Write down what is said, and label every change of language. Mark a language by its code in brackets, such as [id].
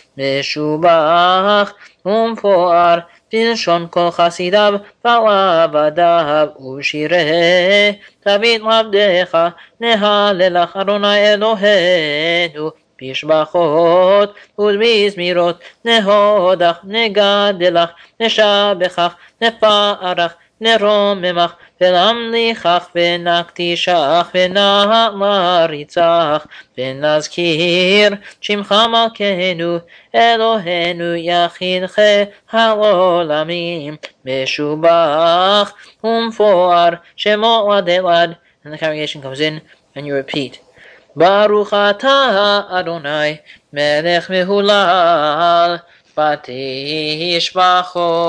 [he] משובח ומפואר, בלשון כל חסידיו, ועבדיו, ושירי דוד עבדך, נהללך אדוני אלוהינו, בשבחות ובזמירות, נהודך, נגדלך, נשבחך, נפארך, נרוממך, ולמליכך, ונקטישך, ונמריצך, ונזכיר שמך מלכנו, אלוהינו יחידך העולמים, משובח ומפואר, שמו עד אל עד. [en] And the congregation comes in, and you repeat. [he] ברוך אתה, אדוני, מלך מהולל, בתשבחות.